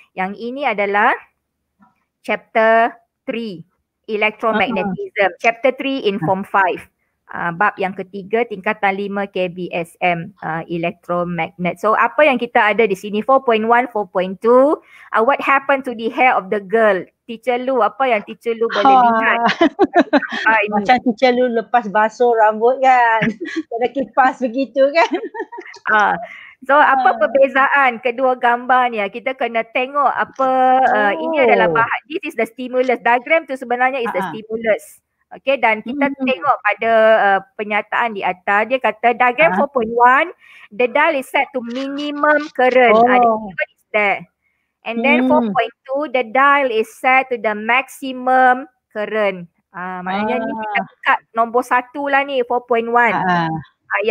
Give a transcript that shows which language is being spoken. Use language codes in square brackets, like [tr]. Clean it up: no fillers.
[ms] Yang ini adalah chapter 3, electromagnetism. [en] Chapter 3 in form 5. [ms] Bab yang ketiga, tingkatan 5 KBSM, electromagnet. So apa yang kita ada di sini? 4.1, 4.2. [en] What happened to the hair of the girl? [ms] Teacher Lu, apa yang Teacher Lu boleh lihat? Macam Teacher Lu lepas basuh rambut kan? Ada kipas begitu kan? So apa perbezaan kedua gambar ni? Kita kena tengok apa, ini adalah bahan, [en] this is the stimulus. [ms] Diagram tu sebenarnya [en] is the stimulus. [ms] Okay, dan kita tengok pada penyataan di atas. Dia kata [en] diagram 4.1, the dial is set to minimum current. What is that? And then 4.2, the dial is set to the maximum current. [ms] Maknanya ni kita buka nombor 1 lah ni, 4.1.